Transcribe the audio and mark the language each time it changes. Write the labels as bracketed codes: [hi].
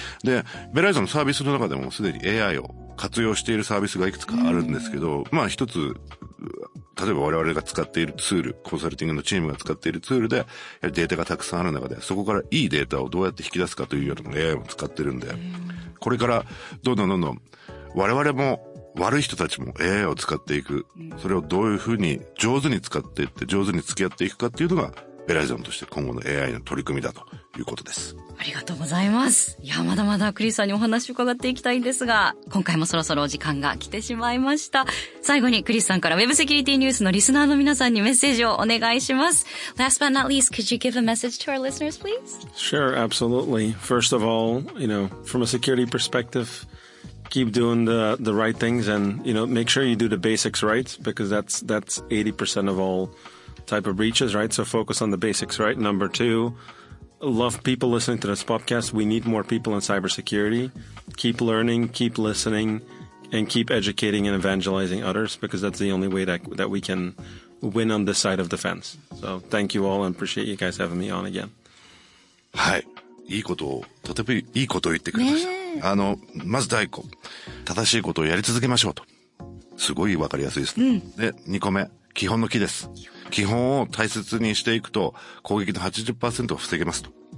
[ja] で、ベライゾンのサービスの中でもすでに AI を活用しているサービスがいくつかあるんですけど、まあ一つ、例えば我々が使っているツール、コンサルティングのチームが使っているツールで、やはりデータがたくさんある中で、そこからいいデータをどうやって引き出すかというようなのを AI も使ってるんで、これからどんどんどんどん我々も悪い人たちも AI を使っていく、それをどういうふうに上手に使っていって上手に付き合っていくかっていうのが、ベライゾンとして今後の AI の取り組みだということです。ありがとうございます。いや、まだまだクリスさんにお話伺っていきたいんですが、今回もそろそろお時間が来てしまいました。最後にクリスさんからウェブセキュリティニュースのリスナーの皆さんにメッセージをお願いします。 [en] Last but not least, could you give a message to our listeners, please? Sure, absolutely. First of all, you know, from a security perspective, keep doing the right things and, you know, make sure you do the basics right, because that's 80% of allType of breaches, right? So focus on the basics, right? Number two, love people listening to this podcast. We need more people in cybersecurity. Keep learning, keep listening, and keep educating and evangelizing others, because that's the only way that we can win on this side of the fence. So thank you all, and appreciate you guys having me on again. [ja] はい。いいことを、とてもいいことを言ってくれました。ね、まず第一個。正しいことをやり続けましょうと。すごいわかりやすいですね。うん、で、二個目。基本の木です。基本を大切にしていくと攻撃の 80% を防げますと。